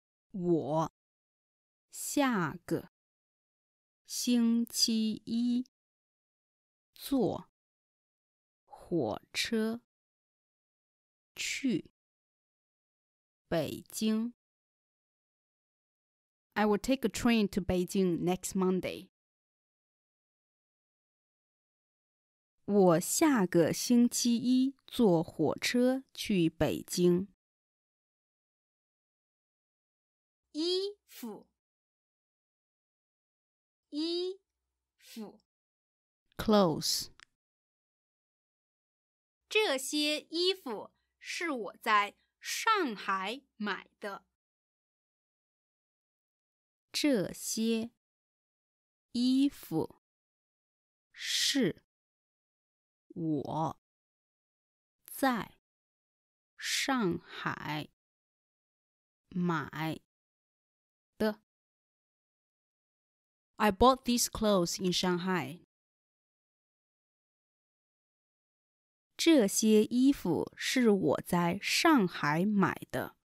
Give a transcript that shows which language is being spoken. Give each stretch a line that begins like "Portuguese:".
Chinese: 我下个星期一坐火车去北京。
English: I will take a train to Beijing next Monday.
Chinese: 我下个星期一坐火车去北京。衣服衣服
English: clothes
Chinese: 这些衣服是我在上海买的这些衣服是我在上海买的
English: I bought these clothes in Shanghai.
Chinese: 这些衣服是我在上海买的。